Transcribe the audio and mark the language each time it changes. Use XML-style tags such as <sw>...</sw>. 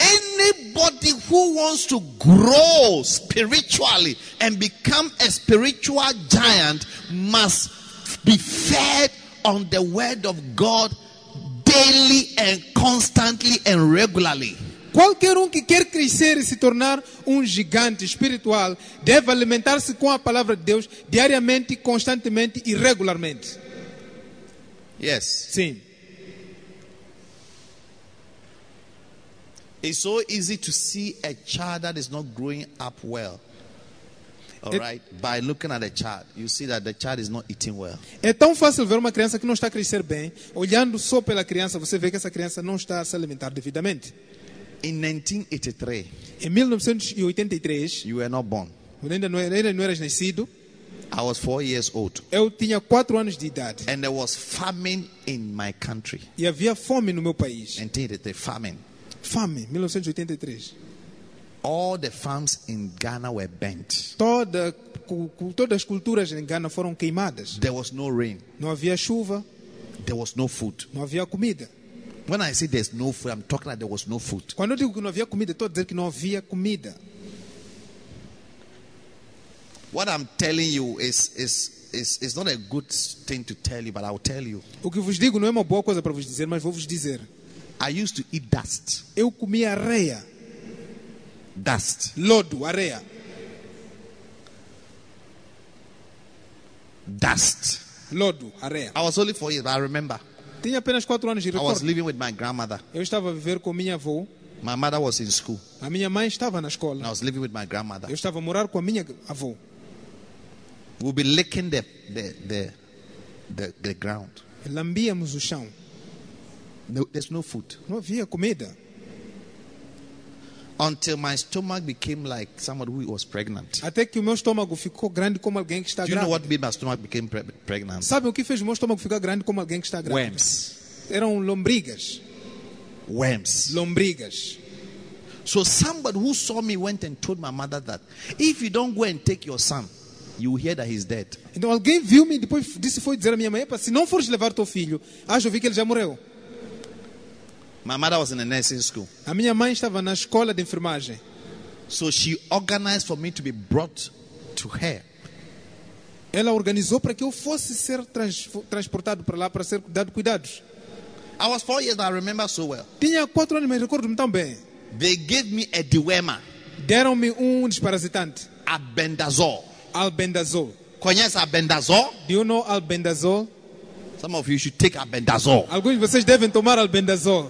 <en>Anybody who wants to grow spiritually and become a spiritual giant must be fed on the word of God daily and constantly and regularly.</en> <pt>Qualquer que quer crescer e se tornar gigante espiritual deve alimentar-se com a palavra de Deus diariamente, constantemente e regularmente.</pt> <en>Yes.</en> <pt>Sim.</pt> <en>It's so easy to see a child that is not growing up well. All right? By looking at a child, you see that the child is not eating well.</en> <pt>É tão fácil ver uma criança que não está a crescer bem. Olhando só pela criança, você vê que essa criança não está a se alimentar devidamente.</pt> <en>In 1983,</en> <pt>em 1983,</pt> <en>you were not born.</en> <pt>Ainda não eras nascido.</pt> <en>I was 4 years old.</en> <pt>Eu tinha 4 anos de idade.</pt> <en>And there was famine in my country.</en> <pt>E havia fome no meu país.</pt> <en>1983, famine.</en> <pt>Fome, 1983.</pt> <en>All the farms in Ghana were burnt.</en> <pt>Todas as culturas em Ghana foram queimadas.</pt> <en>There was no rain.</en> <pt>Não havia chuva.</pt> <en>There was no food.</en> <pt>Não havia comida.</pt> <en>When I say there's no food, I'm talking like there was no food.</en> <pt>Quando eu digo que não havia comida, estou a dizer que não havia comida.</pt> <en>What I'm telling you is not a good thing to tell you, but I'll tell you.</en> <pt>O que vos digo não é uma boa coisa para vos dizer, mas vou vos dizer.</pt> <en>I used to eat dust.</en> <pt>Eu comia areia.</pt> <en>Dust.</en> <pt>Lodo, areia.</pt> <en>Dust.</en> <pt>Lodo, areia.</pt> <en>I was only 4 years, but I remember.</en> <pt>Tinha apenas 4 anos de recordo.</pt> <en>I was living with my grandmother.</en> <pt>Eu estava a viver com minha avó.</pt> <en>My mother was in school.</en> <pt>A minha mãe estava na escola.</pt> <en>And I was living with my grandmother.</en> <pt>Eu estava a morar com a minha avó.</pt> <en>We'll be licking the ground.</en> <pt>Lambíamos o chão.</pt> <en>No, there's no food.</en> <pt>Não havia comida.</pt> <en>Until my stomach became like someone who was pregnant.</en> <pt>Até que o meu estômago ficou grande como alguém que está grávida.</pt> <en>Do you know what made my stomach became pregnant?</en> <pt>Sabe o que fez o meu estômago ficar grande como alguém que está grávida?</pt> <en>Worms.</en> <pt>Eram lombrigas.</pt> <en>Worms.</en> <pt>Lombrigas.</pt> <en>So somebody who saw me went and told my mother that if you don't go and take your son, you will hear that he's dead.</en> <pt>Então alguém viu me depois disse foi dizer à minha mãe, se não fores levar teu filho, acho que ele já morreu.</pt> <en>My mother was in a nursing school.</en> <pt>A minha mãe estava na escola de enfermagem.</pt> <en>So she organized for me to be brought to her.</en> <pt>Ela organizou para que eu fosse ser transportado para lá para ser dado cuidados.</pt> <en>I was 4 years, but I remember so well.</en> <pt>Tinha 4 anos, mas recordo-me tão bem.</pt> <en>They gave me a dewormer.</en> <pt>Deram-me desparasitante.</pt> <en>Albendazole.</en> <pt>Albendazole. Conhece Albendazole?</pt> <en>Do you know Albendazole? Some of you should take Albendazole.</en> <pt>Alguns de vocês devem tomar Albendazole.</pt>